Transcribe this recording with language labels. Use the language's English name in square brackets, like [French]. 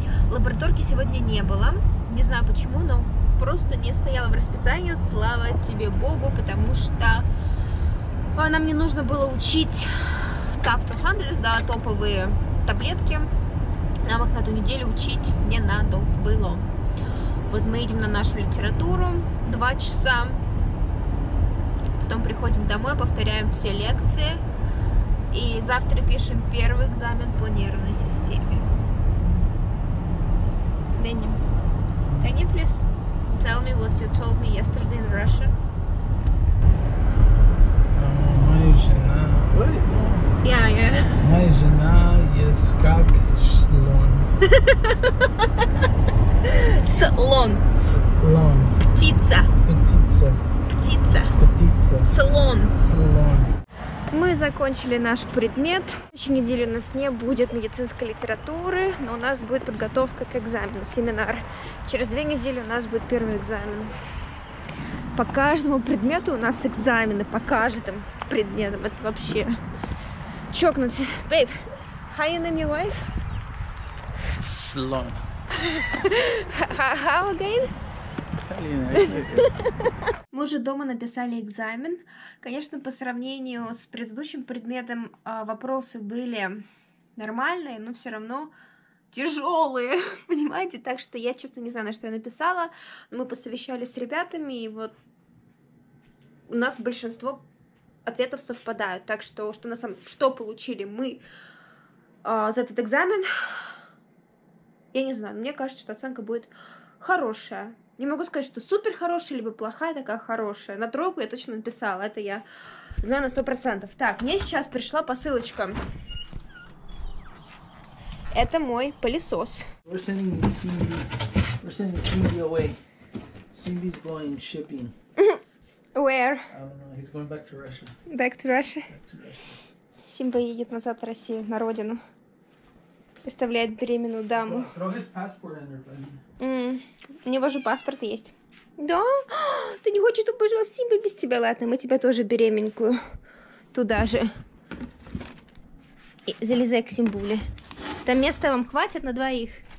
[Russian] Лабораторки сегодня не было, не знаю почему, но просто не стояла в расписании, слава тебе Богу, потому что нам не нужно было учить TAP 200, да, топовые таблетки, нам их на ту неделю учить не надо было. Вот мы едем на нашу литературу, 2 часа. Потом приходим домой, повторяем все лекции. И завтра пишем первый экзамен по нервной системе. [English] Дэнни, can you please tell me what you told me yesterday in Russian? [Russian] Моя жена... Ой? [English] Yeah, yeah. [Russian] Моя жена есть как слон. Слон. Слон. Птица. Птица. Птица. Слон. Слон. Мы закончили наш предмет. В следующей неделе у нас не будет медицинской литературы, но у нас будет подготовка к экзамену, семинар. Через 2 недели у нас будет первый экзамен. По каждому предмету у нас экзамены, по каждому предмету. Это вообще чокнуть. [English] Babe, how you name your wife? [Russian] Слон. [English] How again? [Russian] Мы уже дома написали экзамен. Конечно, по сравнению с предыдущим предметом вопросы были нормальные, но все равно тяжелые, понимаете? Так что я, честно, не знаю, на что я написала. Мы посовещались с ребятами, и вот у нас большинство ответов совпадают. Так что что получили мы за этот экзамен, я не знаю. Мне кажется, что оценка будет хорошая. Не могу сказать, что супер хорошая, либо плохая такая хорошая. На тройку я точно написала. Это я знаю на 100%. Так, мне сейчас пришла посылочка. Это мой пылесос. [English] We're sending Cindy. We're sending Cindy away. Cindy's going shipping. Where? I don't know. He's going back to Russia. Back to Russia? Back to Russia. [Russian] Симба едет назад в Россию, на родину. Оставляет беременную даму. [English] Throw his passport in there, buddy. [Russian] У него же паспорт есть. Да? Ты не хочешь, чтобы жил Симба без тебя? Ладно, мы тебя тоже беременькую. Туда же. И залезай к Симбуле. Там места вам хватит на двоих.